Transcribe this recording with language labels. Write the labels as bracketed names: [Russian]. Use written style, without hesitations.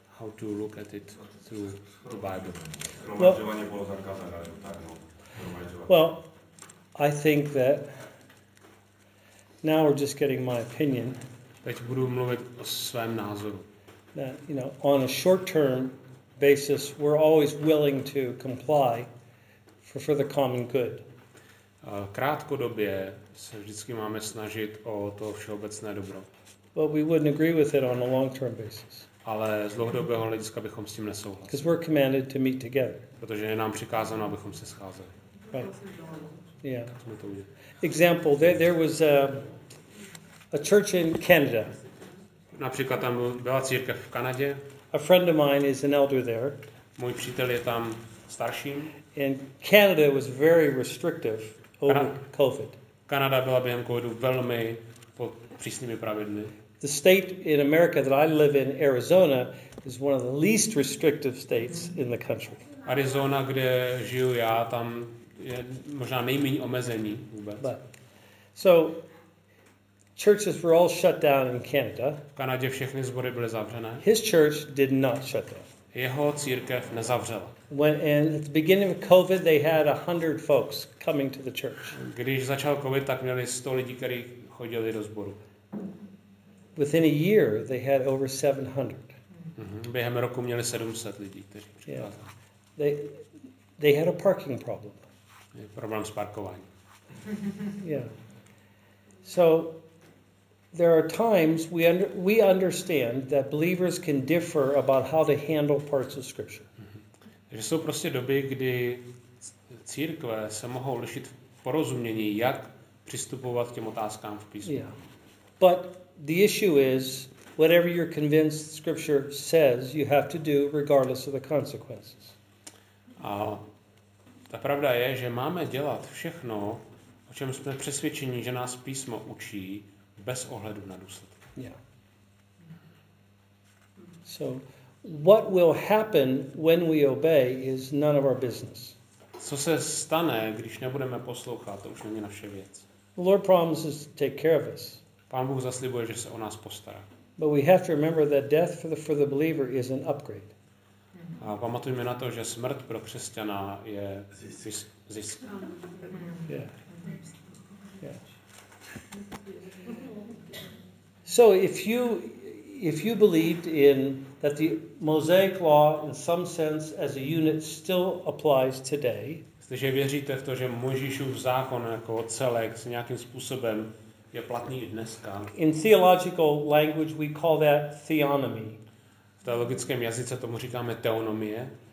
[English] How to look at it through the Bible? Well, I think that now we're just getting my opinion. [Czech] Teď budu mluvit o svém názoru. [English] That, you know, on a short-term basis, we're always willing to comply for the common good. [Czech] Krátkodobě se vždycky máme snažit o to všeobecné dobro. [English] But we wouldn't agree with it on a long-term basis. [Czech] Ale z dlouhodobého hlediska bychom s tím nesouhlasili. [English] Because we're commanded to meet together. [Czech] Protože je nám přikázáno, abychom se scházeli. [English] Right. Yeah. Example, there was a church in Canada. [Czech] Například tam byla církev v Kanadě. [English] A friend of mine is an elder there. [Czech] Můj přítel je tam starším. [English] And Canada was very restrictive over COVID. [Czech] Kanada byla během covidu velmi pod přísnými pravidly. [English] The state in America that I live in, Arizona, is one of the least restrictive states in the country. [Czech] Arizona, kde žiju já, tam je možná nejméně omezení vůbec. [English] But, so churches were all shut down in Canada. [Czech] V Kanadě všechny sbory byly zavřené. [English] His church did not shut down. [Czech] Jeho církev nezavřela. [English] When and at the beginning of COVID they had 100 folks coming to the church. [Czech] Když začal COVID, tak měli 100 lidí, kteří chodili do sboru. [English] Within a year they had over 700. Mm-hmm. [Czech] Během roku měli 700 lidí, kteří přicházeli. [English] Yeah. They had a parking problem. [Czech] Je problém s parkováním. Yeah. [English] So there are times we understand that believers can differ about how to handle parts of scripture. [Czech] Takže jsou prostě doby, kdy církve se mohou lišit v porozumění, jak přistupovat k těm otázkám v písmu. Yeah. [English] But the issue is whatever you're convinced scripture says, you have to do regardless of the consequences. [Czech] A ta pravda je, že máme dělat všechno, o čem jsme přesvědčeni, že nás písmo učí, bez ohledu na důsledky. Yeah. [English] So what will happen when we obey is none of our business. [Czech] Co se stane, když nebudeme poslouchat, to už není naše věc. [English] The Lord promises to take care of us. [Czech] Pán Bůh zaslibuje, že se o nás postará. [English] But we have to remember that death for the believer is an upgrade. [Czech] A pamatujme na to, že smrt pro křesťana je zisk. Yeah. Yeah. [English] So if you believed in that the Mosaic law in some sense as a unit still applies today, [Czech] jestliže věříte v to, že Mojžíšův zákon jako celek s nějakým způsobem je platný i dneska. [English] In theological language we call that theonomy. [Czech] V teologickém jazyce tomu říkáme teonomie.